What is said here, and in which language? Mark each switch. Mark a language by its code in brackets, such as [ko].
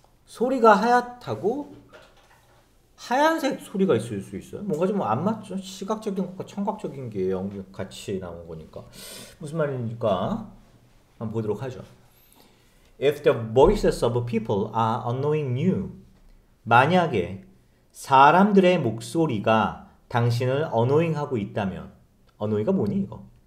[ko] 소리가 하얗다고 하얀색 소리가 있을 수 있어요? 뭔가 좀안 맞죠? 시각적인 것과 청각적인 게 같이 나온 거니까. 무슨 말입니까? 한번 보도록 하죠. [en] If the voices of people are annoying you. [ko] 만약에 사람들의 목소리가 당신을 annoying하고 있다면, annoying이 뭐니, 이거?